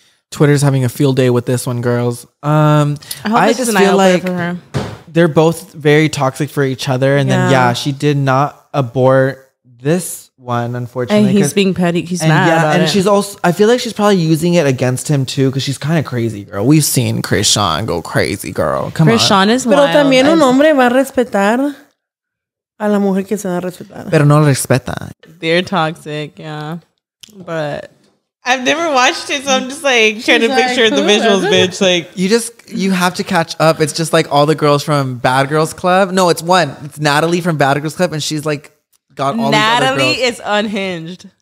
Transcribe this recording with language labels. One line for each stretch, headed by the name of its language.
English: Twitter's having a field day with this one, girls. I just feel like they're both very toxic for each other. And then, yeah, she did not abort this one, unfortunately. And he's being petty. He's mad. Yeah, and she's also, I feel like she's probably using it against him too, because she's kind of crazy, girl. We've seen Krishan go crazy, girl. Come on. Krishan is wild.
Spanish: Pero también un hombre va a respetar a la mujer que se va a respetar. Pero no respeta.
English: They're toxic, yeah. But I've never watched it, so I'm just like trying to picture the visuals, bitch. Like, you have to catch up. It's just like all the girls from Bad Girls Club. No, it's one. It's Natalie from Bad Girls Club, and she's like, got all Natalie is unhinged.